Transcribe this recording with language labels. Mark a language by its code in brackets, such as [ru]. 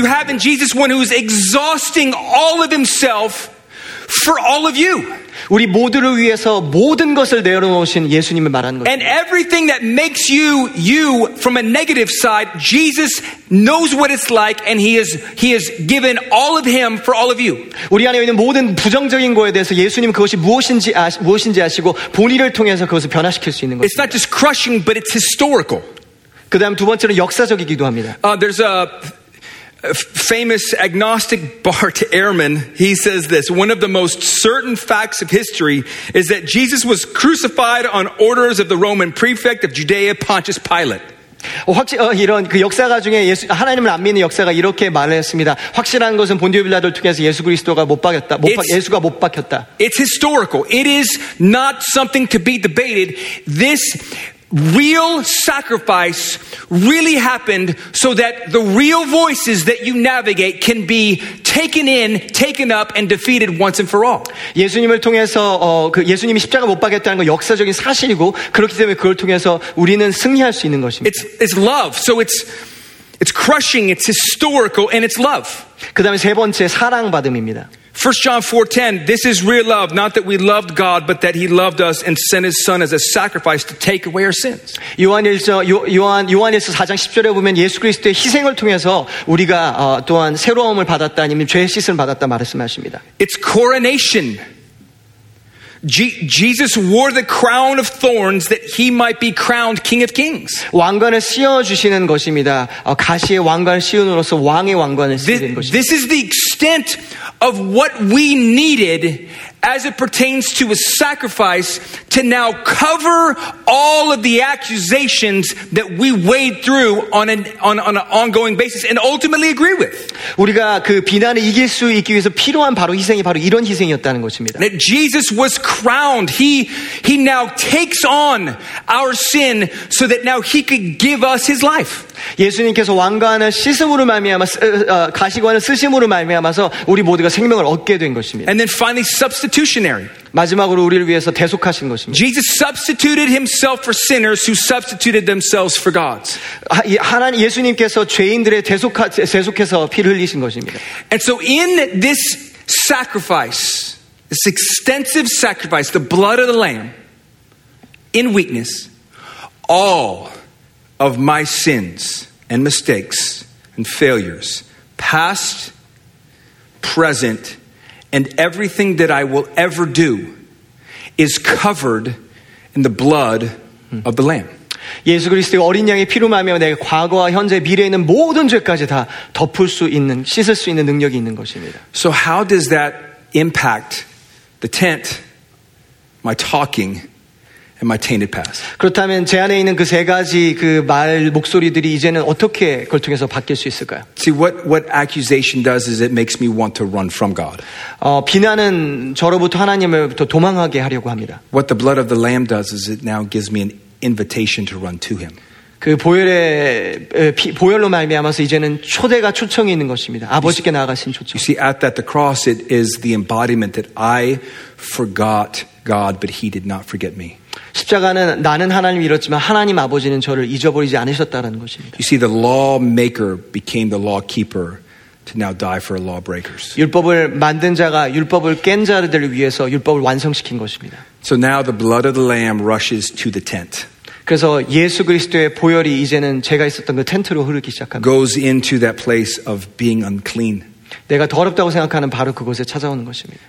[en] You have in Jesus one who is exhausting all of himself for all of you. [ko] 우리 모두를 위해서 모든 것을 내려놓으신 예수님을 말하는 거예요. [en] And everything that makes you from a negative side, Jesus knows what it's like and he has given all of him for all of you. [ko] 우리 안에 있는 모든 부정적인 거에 대해서 예수님 그것이 무엇인지 아시고 본의를 통해서 그것을 변화시킬 수 있는 거예요. [en] It's not just crushing but it's historical. [ko] 그다음 두 번째는 역사적이기도 합니다. [en] There's a famous agnostic Bart Ehrman, he says this, one of the most certain facts of history is that Jesus was crucified on orders of the Roman prefect of Judea, Pontius Pilate. [ko] 이런 그 역사가 중에 예수 하나님을 안 믿는 역사가 이렇게 말했습니다. 확실한 것은 본디오 빌라도를 통해서 예수 그리스도가 못 박혔다. 예수가 못 박혔다. [en] It's historical. It is not something to be debated. This real sacrifice really happened so that the real voices that you navigate can be taken in, taken up, and defeated once and for all. [ko] 예수님을 통해서 그 예수님이 십자가 못 박았다는 건 역사적인 사실이고 그렇기 때문에 그걸 통해서 우리는 승리할 수 있는 것입니다. [en] It's love. So it's crushing, it's historical, and it's love. [ko] 그 다음에 세 번째 사랑받음입니다. [en] 1 John 4:10, this is real love, not that we loved God, but that he loved us and sent his son as a sacrifice to take away our sins. [ko] 요한일서 4장 10절에 보면 예수 그리스도의 희생을 통해서 우리가 또한 새로움을 받았다, 아니면 죄의 씻음을 받았다 말씀하십니다. [en] It's coronation. Jesus wore the crown of thorns that he might be crowned king of kings. [ko] 왕관을 씌워주시는 것입니다. 가시에 왕관을 씌운으로써 왕의 왕관을 씌우는 것입니다. [en] This is the extent of what we needed as it pertains to a sacrifice to now cover all of the accusations that we wade through on an ongoing basis and ultimately agree with. [ko] 우리가 그 비난을 이길 수 있기 위해서 필요한 바로 희생이 바로 이런 희생이었다는 것입니다. [en] That Jesus was crowned. He now takes on our sin so that now he could give us his life. [ko] 예수님께서 왕관을 씻음으로 말미암아 가시관을 쓰심으로 말미암아서 우리 모두가 생명을 얻게 된 것입니다. [en] And then finally substitutionary. [ko] 마지막으로 우리를 위해서 대속하신 것입니다. [en] Jesus substituted himself for sinners who substituted themselves for God's. [ko] 하나님 예수님께서 죄인들의 대속해서 피를 흘리신 것입니다. [en] And so in this sacrifice, this extensive sacrifice, the blood of the lamb in weakness, all of my sins and mistakes and failures, past, present, and everything that I will ever do is covered in the blood of the Lamb. [ko] 예수 그리스도의 어린 양의 피로 말미암아 내 과거와 현재 미래에 있는 모든 죄까지 다 덮을 수 있는 씻을 수 있는 능력이 있는 것입니다. [en] So how does that impact the tent, my talking, and my tainted past? [ko] 그렇다면 제 안에 있는 그 세 가지 그 말 목소리들이 이제는 어떻게 그걸 통해서 바뀔 수 있을까요? [en] See what accusation does is it makes me want to run from God. [ko] 비난은 저로부터 하나님을부터 도망하게 하려고 합니다. [en] What the blood of the lamb does is it now gives me an invitation to run to him. [ko] 그 보혈로 말미암아서 이제는 초대가 초청이 있는 것입니다. 아버지께 나아가신 초청. [en] You see, at that the cross it is the embodiment that I forgot God, but he did not forget me. [ko] 십자가는 나는 하나님 잃었지만 하나님 아버지는 저를 잊어버리지 않으셨다는 것입니다. [en] You see, the lawmaker became the lawkeeper to now die for lawbreakers. [ko] 율법을 만든 자가 율법을 깬 자들을 위해서 율법을 완성시킨 것입니다. [en] So now the blood of the lamb rushes to the tent. [ko] 그래서 예수 그리스도의 보혈이 이제는 제가 있었던 그 텐트로 흐르기 시작합니다. [en] Goes into that place of being unclean. [ko] 내가 더럽다고 생각하는 바로 그곳에 찾아오는 것입니다.